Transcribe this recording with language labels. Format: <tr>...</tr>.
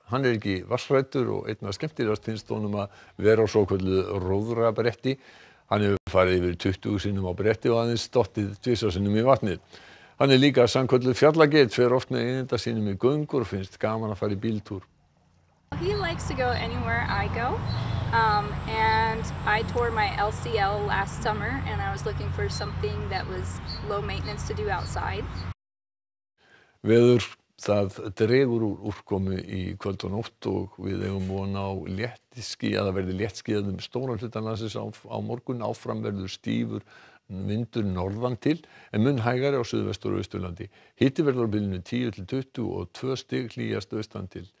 <is>Hann er ekki vatnshræddur og einna skemmtilegast finnst honum að vera á svokölluðu róðrabretti. Hann hefur farið yfir 20 sinnum á bretti og aðeins dottið 20 sinnum í vatnið. Hann er líka sannkölluð fjallageit, fer oft með einenda sínum í göngur og finnst gaman að fara í bíltúr.</is> <en>He likes to go anywhere I go. And I tore my LCL last summer and I was looking for something that was low maintenance to do outside.</en> <is>Veður, það dregur úr úrkomu í kvöld og nótt og við eigum von á léttiski að það verði léttskýjað stóran hluta landsins á morgun. Áfram verður stífur vindur norðan til en mun hægari á suðvestur og austurlandi. Hiti verður á bilinu 10-20 og 2 stig hlýjast austan til.</is>